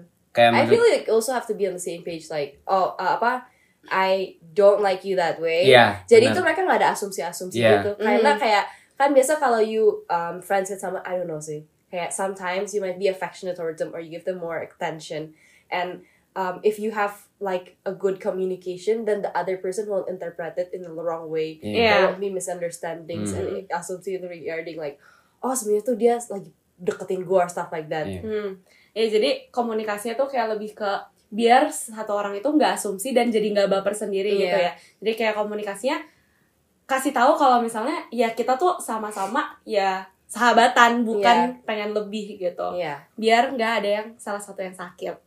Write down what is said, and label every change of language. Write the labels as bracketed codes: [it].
[en] Kayak I feel like also have to be on the same page like I don't like you that way. [id] Jadi itu mereka enggak ada asumsi-asumsi gitu. Karena kayak kan biasa kalau [en] you friends with someone, I don't know sih. Kayak sometimes you might be affectionate towards them or you give them more attention and if you have like a good communication, then the other person will interpret it in the wrong way. There won't be misunderstandings and assumptions regarding like, [id] oh sebenarnya tuh dia lagi deketin gua [en] or stuff like that. [id] Jadi komunikasinya tuh kayak lebih ke biar satu orang itu nggak asumsi dan jadi nggak baper sendiri gitu ya. Jadi kayak komunikasinya kasih tahu kalau misalnya ya kita tuh sama-sama ya sahabatan bukan pengen lebih gitu. Biar nggak ada yang salah satu yang sakit.